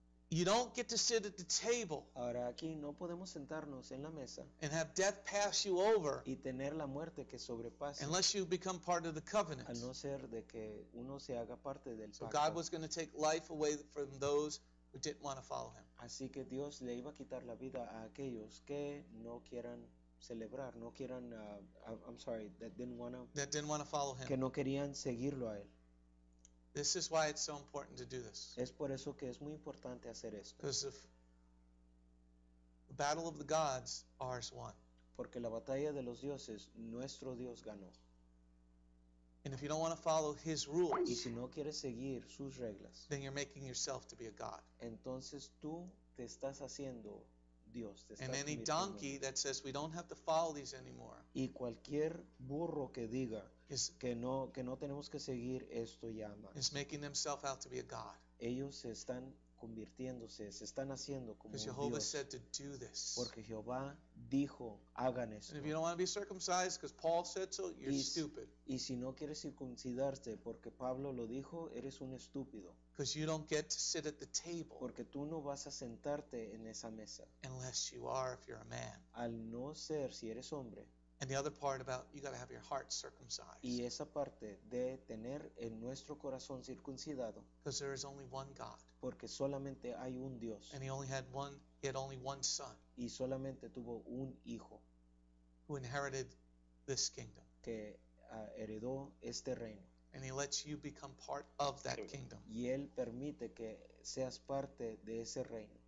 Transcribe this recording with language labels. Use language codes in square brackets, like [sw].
[en] You don't get to sit at the table. [es] Ahora aquí no podemos sentarnos en la mesa. [en] And have death pass you over. [es] Y tener la muerte que sobrepase. [en] Unless you become part of the covenant. [es] A no ser de que uno se haga parte del pacto. [en] So God was going to take life away from those who didn't want to follow him. [es] Así que Dios le iba a quitar la vida a aquellos que no quieran celebrar, no quieran [en] that didn't want to follow him. [es] Que no querían seguirlo a él. [en] This is why it's so important to do this. [es] Es por eso que es muy importante hacer esto. [en] Because if the battle of the gods, ours won. [es] Porque la batalla de los dioses, nuestro Dios ganó. [en] And if you don't want to follow his rules, [es] y si no quieres seguir sus reglas, [en] then you're making yourself to be a god. [es] Entonces tú te estás haciendo Dios te está [en] and any donkey that says we don't have to follow these anymore. [es] Y cualquier burro que diga que no tenemos que seguir esto ya más. [en] Is making themselves out to be a god. [es] Ellos se están convirtiéndose, se están haciendo como [en] un Jehovah Dios. Said to do this. [es] Porque Jehová dijo, hagan esto. [en] And if you don't want to be circumcised because Paul said so, you're stupid. [es] Y si no quieres circuncidarte porque Pablo lo dijo, eres un estúpido. [en] Because you don't get to sit at the table. [es] Porque tú no vas a sentarte en esa mesa. [en] Unless you are, if you're a man. [es] Al no ser si eres hombre. [en] And the other part about you got to have your heart circumcised. [es] Y esa parte de tener en nuestro corazón circuncidado. [en] Because there is only one God. [es] Porque solamente hay un Dios. [en] And he had only one son. [es] Y solamente tuvo un hijo. [en] Who inherited this kingdom. [es] Que heredó este reino. [en] And he lets you become part of that kingdom. [es] Y él permite que seas parte de ese reino.